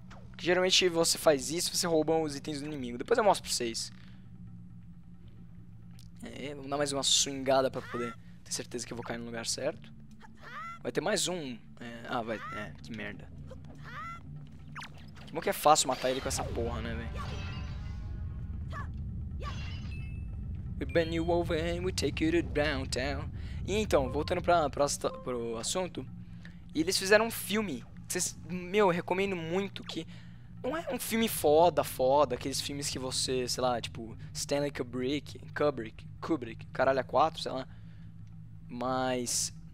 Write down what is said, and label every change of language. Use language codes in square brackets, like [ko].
[pt] Porque geralmente você faz isso, você rouba os itens do inimigo. Depois eu mostro pra vocês. É, vamos dar mais uma swingada pra poder ter certeza que eu vou cair no lugar certo. Vai ter mais um. É, ah, vai. É, que merda. Como que é fácil matar ele com essa porra, né, velho? [en] We bend you over and we take you to downtown. [pt] E então, voltando pro assunto. Eles fizeram um filme. Vocês, meu, eu recomendo muito que... Não é um filme foda. Aqueles filmes que você, sei lá, tipo... Stanley Kubrick. Caralho, é 4, sei lá. Mas...